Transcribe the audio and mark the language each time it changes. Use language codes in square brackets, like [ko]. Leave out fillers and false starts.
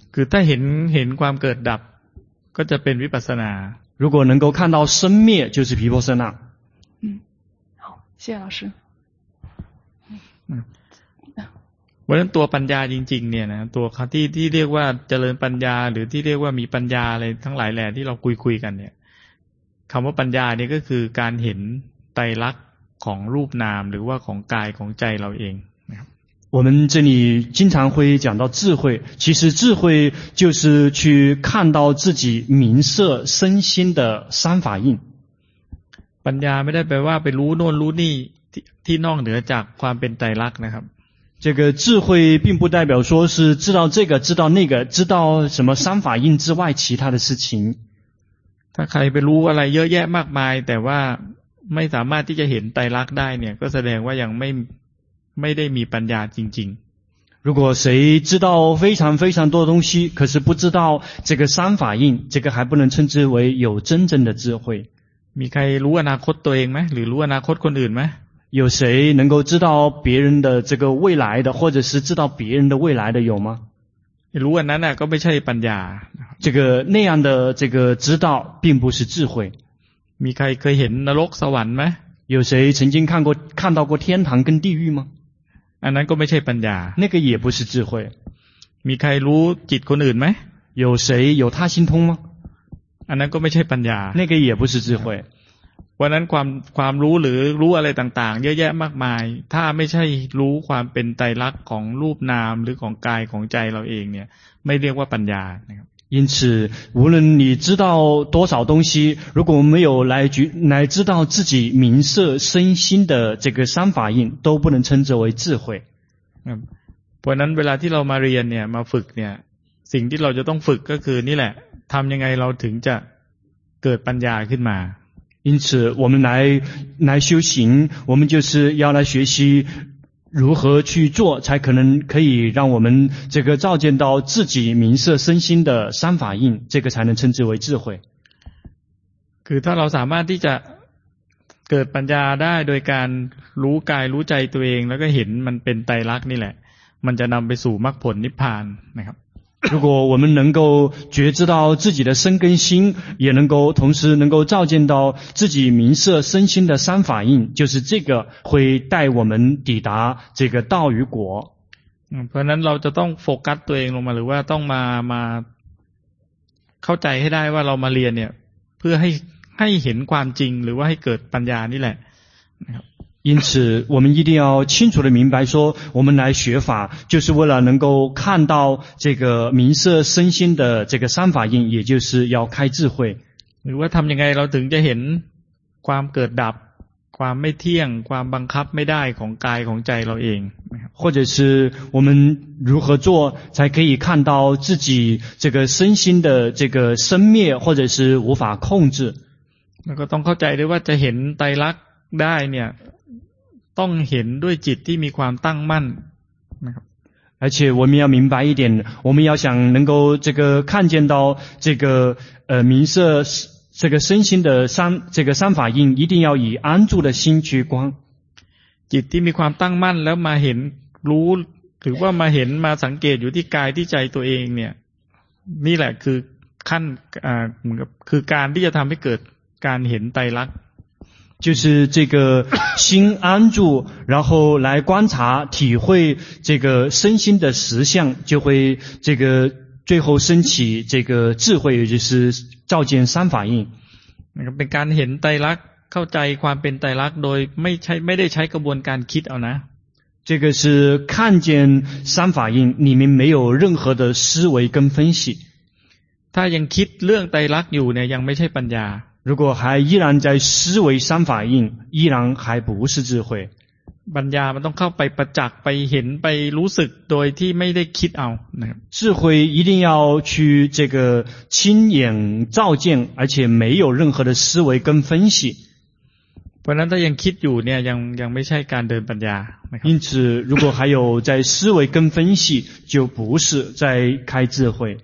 [th] คือถ้าเห็นความเกิดดับก็จะเป็นวิปัสสนา [zh] 如果能够看到生灭就是毗婆舍那嗯好谢谢老师 [th] วันนั้นตัวปัญญาจริงๆเนี่ยนะตัวคาที่เรียกว่าเจริญปัญญาหรือที่เรียกว่ามีปัญญาอะไรทั้งหลายแหล่ที่เราคุยกันเนี่ยคำว่าปัญญาเนี่ยก็คือการเห็นไตรลักษณ์ของรูปนามหรือว่าของกายของใจเราเองนะครับ [zh] 我们这里经常会讲到智慧，其实智慧就是去看到自己名色身心的三法印。 [th] ปัญญาไม่ได้แปลว่าไปรู้โน่นรู้นี่ที่นอกเหนือจากความเป็นไตรลักษณ์นะครับ [zh] 这个智慧并不代表说是知道这个知道那个知道什么三法印之外其他的事情 [th] ถ้าใครไปรู้อะไรเยอะแยะมากมายแต่ว่าไม่สามารถที่จะเห็นไตรลักษณ์ได้เนี่ยก็แสดงว่ายังไม่ได้มีปัญญาจริง [zh] ๆ如果谁知道非常非常多东西可是不知道这个三法印这个还不能称之为有真正的智慧 [th] มีใครรู้อนาคตตัวเองไหมหรือรู้อนาคตคนอื่นไหม [zh] 有谁能够知道别人的这个未来的或者是知道别人的未来的有吗 [th] รู้อันนั้นน่ะก็ไม่ใช่ปัญญา [zh] 这个那样的这个知道并不是智慧 [th] มีใครเคยเห็นนรกสวรรค์ไหม [zh] 有谁曾经看到过天堂跟地狱吗 [th] อันนั้นก็ไม่ใช่ปัญญา [zh] 那个也不是智慧 [th] มีใครรู้จิตคนอื่นไหม [zh] 有谁有他心通吗 [th] อันนั้นก็ไม่ใช่ปัญญา [zh] 那个也不是智慧 [th] วันนั้นความรู้หรือรู้อะไรต่างๆเยอะแยะมากมายถ้าไม่ใช่รู้ความเป็นไตรลักษณ์ของรูปนามหรือของกายของใจเราเองเนี่ยไม่เรียกว่าปัญญานะครับ [zh] 因此无论你知道多少东西如果没有来知道自己名色身心的这个三法印都不能称之为智慧 [th] วันนั้นเวลาที่เรามาเรียนเนี่ยมาฝึกเนี่ยสิ่งที่เราจะต้องฝึกก็คือนี่แหละทำยังไงเราถึงจะเกิดปัญญาขึ้นมา [zh] 因此我们来修行我们就是要来学习如何去做才可能可以让我们这个照见到自己名色身心的三法印这个才能称之为智慧 [th] คือถ้าเราสามารถที่จะเกิดปัญญาได้โดยการรู้กายรู้ใจตัวเองแล้วก็เห็นมันเป็นไตรลักษณ์นี่แหละมันจะนำไปสู่มรรคผลนิพพานนะครับ [zh] 如果我们能够觉知到自己的身跟心也能够同时能够照见到自己名色身心的三法印就是这个会带我们抵达这个道与果 [th] เพราะนั้นเราจะต้องโฟกัสตัวเองลงมาหรือว่าต้องมาเข้าใจให้ได้ว่าเรามาเรียนเนี่ยเพื่อให้เห็นความจริงหรือว่าให้เกิดปัญญานี่แหละนะครับ [zh] 因此我们一定要清楚地明白说我们来学法就是为了能够看到这个名色身心的这个三法印也就是要开智慧 [th] หรือว่าทำยังไงเราถึงจะเห็นความเกิดดับความไม่เที่ยงความบังคับไม่ได้ของกายของใจเราเอง [zh] 或者是我们如何做才可以看到自己这个身心的这个生灭或者是无法控制 [th] แล้วก็ต้องเข้าใจด้วยว่าจะเห็นไตรลักษณ์ได้เนี่ยต้องเห็นด้วยจิตที่มีความตั้งมั่นนะครับ [zh] 而且我们要明白一点我们要想能够这个看见到这个名色这个身心的三这个三法印一定要以安住的心去观 [th] จิตที่มีความตั้งมั่นแล้วมาเห็นรู้หรือว่ามาเห็นมาสังเกตอยู่ที่กายที่ใจตัวเองเนี่ยนี่แหละคือขั้นเหมือนกับคือการที่จะทำให้เกิดการเห็นไตรลักษณ์ [zh] 就是这个心安住然后来观察体会这个身心的实相就会这个最后升起这个智慧也就是照见三法印 [th] เป็นการเห็นไตรลักษณ์เข้าใจความเป็นไตรลักษณ์โดยไม่ได้ใช้กระบวนการคิดเอานะ [zh] 这个是看见三法印里面没有任何的思维跟分析 [th] ถ้ายังคิดเรื่องไตรลักษณ์อยู่เนี่ยยังไม่ใช่ปัญญา [zh] 如果还依然在思维三法印依然还不是智慧 [th] ปัญญามันต้องเข้าไปประจักษ์ไปเห็นไปรู้สึกโดยที่ไม่ได้คิดเอานะครับ [zh] 智慧一定要去这个亲眼照见而且没有任何的思维跟分析 [th] เพราะนั้นถ้ายังคิดอยู่เนี่ยยังไม่ใช่การเดินปัญญานะครับ [zh] 因此如果还有在思维跟分析就不是在开智慧